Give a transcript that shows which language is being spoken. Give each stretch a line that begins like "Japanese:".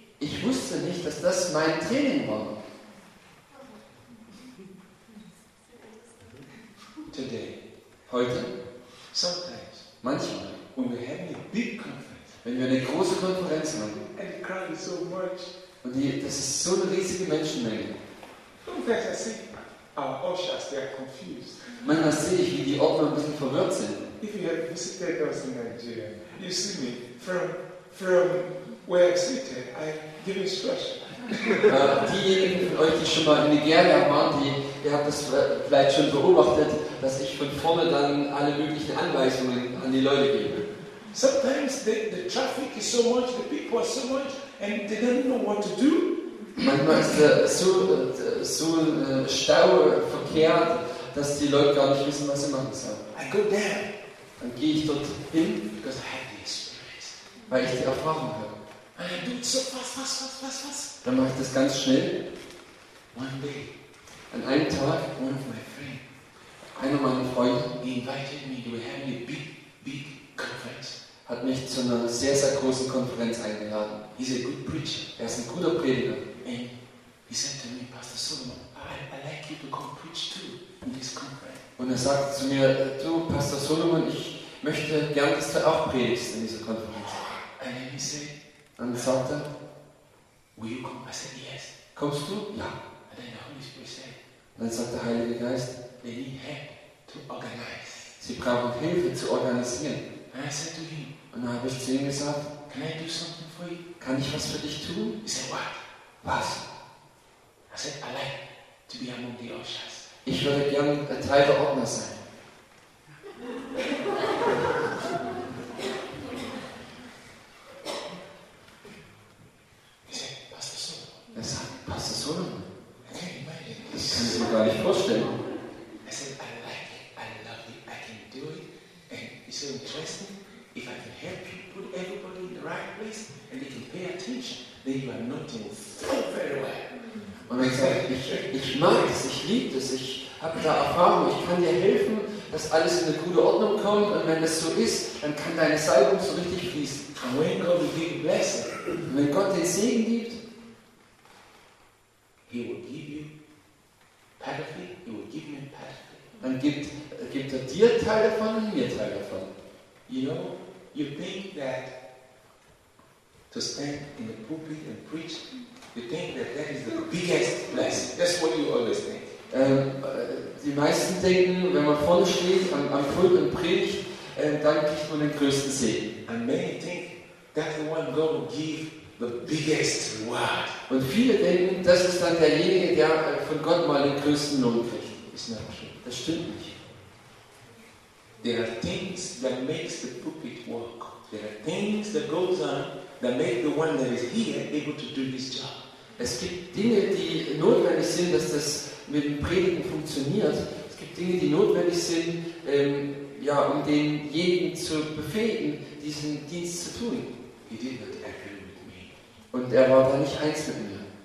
German: Ich wusste nicht, dass das mein Training war.
English: Today.
German: Heute.
English: Sometimes.
German: Manchmal.
English: When we have a big conference.
German: Wenn wir eine große Konferenz machen.
English: And crying so much.
German: Und die, das ist so eine riesige Menschenmenge.
English: Sometimes I see our ushers, they are confused.
German: Manchmal sehe ich, wie die Ordner ein bisschen verwirrt sind.
English: If you have visited us in Nigeria, you see me from where I sitted, I give instruction.
German: Diejenigen von euch, die schon mal in Nigeria waren, ihr habt das vielleicht schon beobachtet, dass ich von vorne dann alle möglichen Anweisungen an die Leute gebe.
English: Sometimes the traffic is so much, the people are so much, and they don't know what to do.
German: Manchmal ist so ein Stau verkehrt, dass die Leute gar nicht wissen, was sie machen sollen.
English: I go there.
German: Dann gehe ich dort hin,
English: because I have the experience.
German: Weil ich die Erfahrung habe.
English: And I do it so fast, fast, fast, fast, fast.
German: Dann mache ich das ganz schnell.
English: One day.
German: An einem Tag.
English: One of my friends.
German: Einer meiner Freunde.
English: He invited me to have a big, big conference.
German: Hat mich zu einer sehr, sehr großen Konferenz eingeladen.
English: He's a good preacher.
German: Er ist ein guter Prediger.
English: And he said to me, Pastor Solomon, I like you to come preach too in this conference.
German: Und er sagte zu mir, du, Pastor Solomon, ich möchte gern, dass du auch predigst in dieser Konferenz.
English: And then he said,
German: und er sagte,
English: will you come? I said, yes.
German: Kommst du? Ja.
English: And then the Holy Spirit said,
German: und dann sagt der Heilige Geist,
English: they need help to organize.
German: Sie brauchen Hilfe zu organisieren.
English: And I said to him,
German: und dann habe ich zu ihm gesagt,
English: can I do something for you?
German: Kann ich was für dich tun?
English: He said, what?
German: Was?
English: I said, I like to be among the ushers.
German: Ich würde gerne ein Teil der Ordner sein.
English: He said, Pastor Solomon.
German: Er sagt, Pastor Solomon.
English: I can't imagine.
German: Das kann ich mir gar nicht vorstellen.
English: I said, I like it. I love it. I can do it. And it's so interesting. If I can help you put everybody in the right place and they can pay attention, then you are not doing so very well.
German: Und er sagt, ich mag es, ich liebe es, ich habe da Erfahrung, ich kann dir helfen, dass alles in eine gute Ordnung kommt, und wenn das so ist, dann kann deine Salbung so richtig fließen.
English: And when God will give you blessing,
German: und wenn Gott den Segen gibt,
English: he will give you part of it, he will give you part of it.
German: Dann gibt er dir Teil davon und mir Teil davon.
English: You know, you think that to stand in the pulpit and preach, you think that that is the biggest blessing. That's what you always think.
German: Die meisten denken, wenn man vorne steht, am Pult und predigt, dann kriegt man den größten Segen.
English: And many think that the one God will give the biggest reward.
German: Und viele denken, das ist dann derjenige, der von Gott mal den größten Lohn kriegt.
English: It's not true.
German: Das stimmt nicht.
English: There are things that makes the pulpit work. There are things that goes on that make the one that is here able to do this job.
German: Es gibt Dinge, die notwendig sind, dass das mit dem Predigen funktioniert. Es gibt Dinge, die notwendig sind, um denjenigen zu befähigen, diesen Dienst zu tun.
English: He did not agree with me.
German: Und er war da nicht eins mit mir.